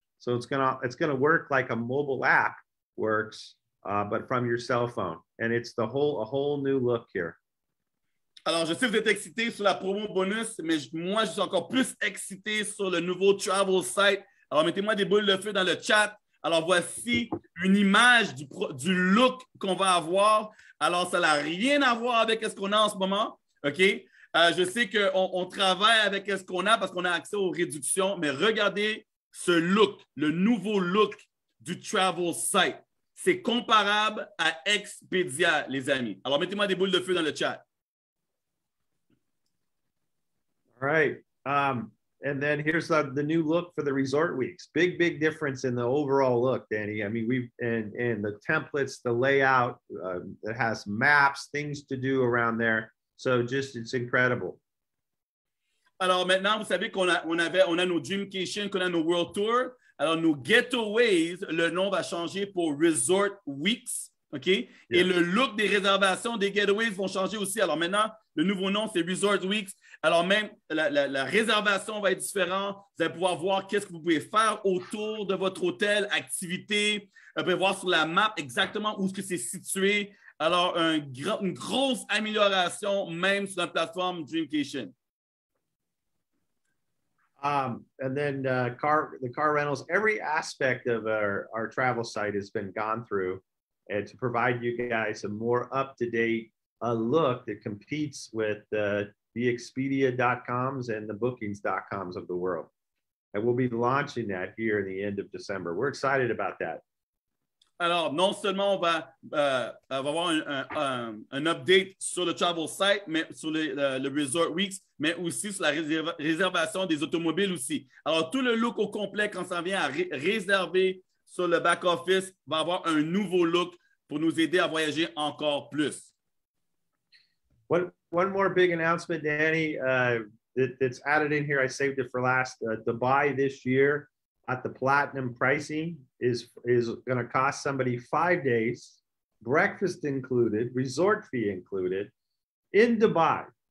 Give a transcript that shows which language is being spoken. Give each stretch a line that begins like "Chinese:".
English: So it's going to work like a mobile app works, but from your cell phone. And it's a whole new look here.
French: Alors, je sais que vous êtes excité sur la promo bonus, mais moi, je suis encore plus excité sur le nouveau travel site. Alors, mettez-moi des boules de feu dans le chat. Alors, voici une image du look qu'on va avoir. Alors, ça n'a rien à voir avec ce qu'on a en ce moment. OK? Je sais qu'on travaille avec ce qu'on a parce qu'on a accès aux réductions, mais regardez ce look, le nouveau look du travel site. C'est comparable à Expedia, les amis. Alors, mettez-moi des boules de feu dans le chat.
English: All right. And then here's the new look for the resort weeks. Big, big difference in the overall look, Danny. I mean, and the templates, the layout, it has maps, things to do around there. So just, it's incredible.
French: Alors maintenant, vous savez qu'on a nos Dreamcation, qu'on a nos World Tour. Alors nos Getaways, le nom va changer pour Resort Weeks. OK? Yeah. Et le look des réservations des Getaways vont changer aussi. Alors maintenant, le nouveau nom, c'est Resort Weeks. Alors, même la réservation va être différente. Vous allez pouvoir voir qu'est-ce que vous pouvez faire autour de votre hôtel, activités. Vous pouvez voir sur la map exactement où est-ce que c'est situé. Alors, une grosse amélioration même sur la plateforme Dreamcation.
English: And then the car rentals. Every aspect of our travel site has been gone through to provide you guys a more up-to-date look that competes with the Expedia.coms and the Bookings.coms of the world. And we'll be launching that here in the end of December. We're excited about that.
French: Alors, non seulement on va avoir un update sur le travel site, mais sur le resort weeks, mais aussi sur la réservation des automobiles aussi. Alors, tout le look au complet, quand ça vient à réserver sur le back office, va avoir un nouveau look pour nous aider à voyager encore plus.
English: One more big announcement, Danny, that's added in here. I saved it for last. Dubai this year at the platinum pricing is going to cost somebody 5 days, breakfast included, resort fee included, in Dubai.